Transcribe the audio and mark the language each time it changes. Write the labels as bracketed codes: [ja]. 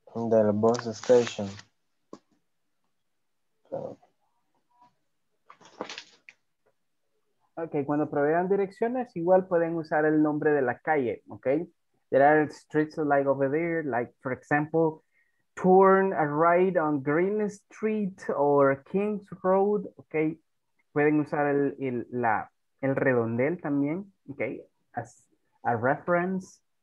[en] Del bus station. [es] Ok, cuando provean direcciones, igual pueden usar el nombre de la calle, ok. [en] There are streets like over there, like for example, turn a right on Green Street or King's Road, ok. [es] Pueden usar el redondel también, ok, [en] as a reference.